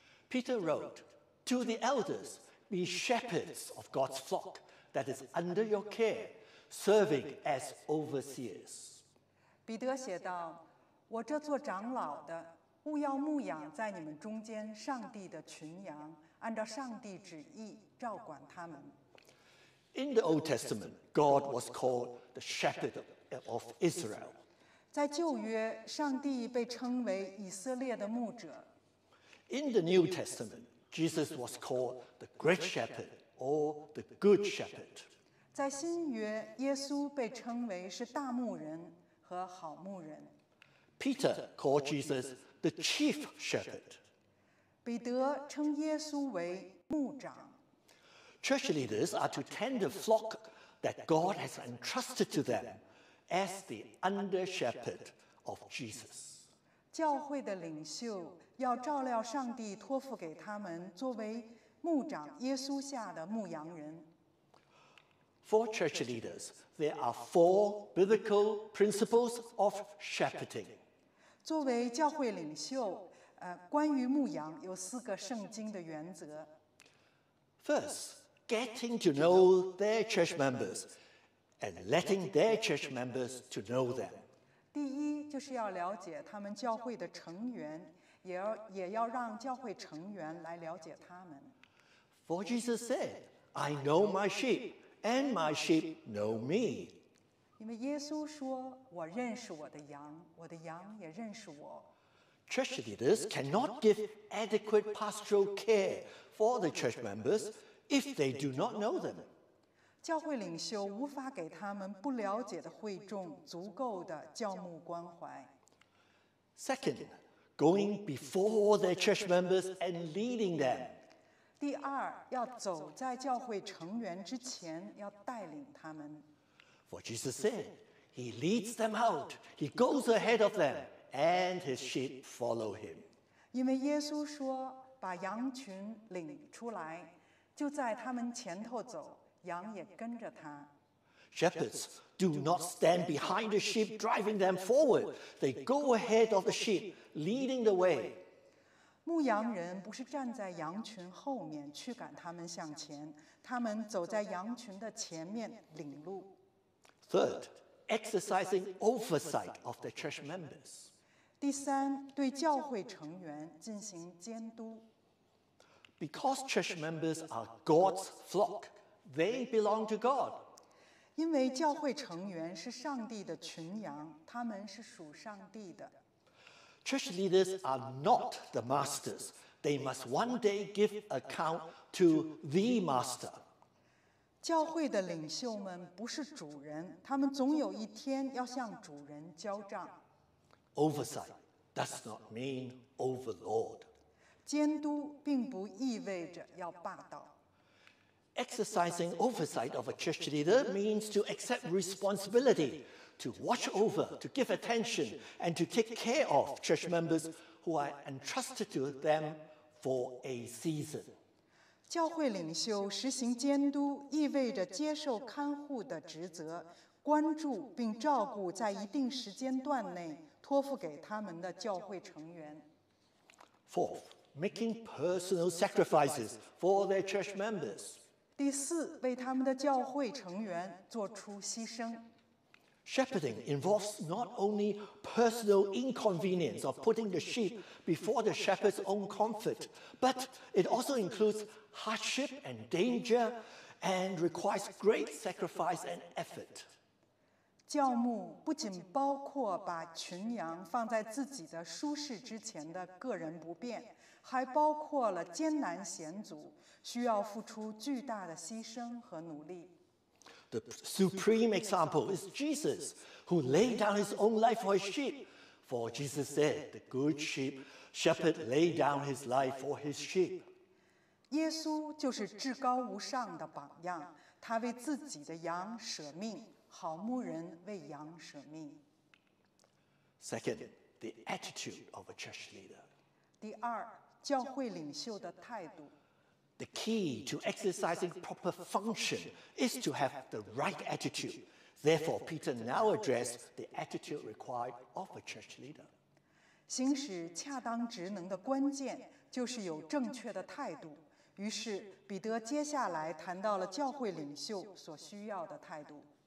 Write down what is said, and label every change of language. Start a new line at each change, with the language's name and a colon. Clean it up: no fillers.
English: Peter wrote, To the elders, be shepherds of God's flock that is under your care, serving as overseers.
Chinese: 彼得写道，我这做长老的，务要牧养在你们中间上帝的群羊，按照上帝旨意照管他们。
English: In the Old Testament, God was called the Shepherd of Israel.
Chinese: 在旧约，上帝被称为以色列的牧者。
English: In the New Testament, Jesus was called the Great Shepherd or the Good Shepherd.
Chinese: 在新约，耶稣被称为是大牧人和好牧人。
English: Peter called Jesus the Chief Shepherd.
Chinese: 彼得称耶稣为牧长。
English: Church leaders are to tend the flock that God has entrusted to them as the under-shepherd of Jesus.
Chinese: 教会的领袖要照料上帝托付给他们作为牧长耶稣下的牧羊人。
English: For church leaders, there are four biblical principles of shepherding.
Chinese: 作为教会领袖，关于牧羊有四个圣经的原则。
English: First,Getting to know their church members and letting their church members to know them.
Chinese: 第一，就是要了解他们教会的成员，也要让教会成员来了解他们。
English: For Jesus said, I know my sheep, and my sheep know me.
Chinese: 因为耶稣说，我认识我的羊，我的羊也认识我。
English: Church leaders cannot give adequate pastoral care for the church members. If they do not know them,
Chinese: 教会领袖无法给他们不了解的会众足够的教牧关怀。
English: Second, going before their church members and leading them.
Chinese: 第二，要走在教会成员之前，要带领他们。
English: For Jesus said, He leads them out, He goes ahead of them, and His sheep follow Him.
Chinese: 因为耶稣说，把羊群领出来。就在他们前头走，羊也跟着他。
English: Shepherds do not stand behind the sheep, driving them forward. They go ahead of the sheep, leading the way.
Chinese: 牧羊人不是站在羊群后面驱赶他们向前，他们走在羊群的前面领路。
English: Third, exercising oversight of the church members.
Chinese: 第三，对教会成员进行监督。
English: Because church members are God's flock, they belong to God.
Chinese: 因为教会成员是上帝的群羊，他们是属上帝的。
English: Church leaders are not the masters. They must one day give account to the master.
Chinese: 教会的领袖们不是主人，他们总有一天要向主人交账。
English: Oversight does not mean overlord.
Chinese: 监督并不意味着要霸道。
English: Exercising oversight of a church leader means to accept responsibility, to watch over, to give attention, and to take care of church members who are entrusted to them for a season.
Chinese: 教会领袖实行监督意味着接受看护的职责，关注并照顾在一定时间段内托付给他们的教会成员。
English: Fourth,Making personal sacrifices for their church members.
Chinese: 第四，为他们的教会成员做出牺牲。
English: Shepherding involves not only personal inconvenience of putting the sheep before the shepherd's own comfort, but it also includes hardship and danger and requires great sacrifice and effort.
Chinese: 教牧不仅包括把群羊放在自己的舒适之前的个人不便，还包括了艰难险阻，需要付出巨大的牺牲和努力。
English: The supreme example is Jesus, who laid down his own life for his sheep. For Jesus said, "The good sheep, shepherd laid down his life for his sheep."
Chinese: 耶稣就是至高无上的榜样，他为自己的羊舍命，好牧人为羊舍命。
English: Second, the attitude of a church leader.
Chinese: 第二。教会领袖的态度。
English: The key to exercising proper function is to have the right attitude. Therefore, Peter now addressed the attitude required of a church leader.
Chinese: 行使恰当职能的关键就是有正确的态度。于是彼得接下来谈到了教会领袖所需要的态度。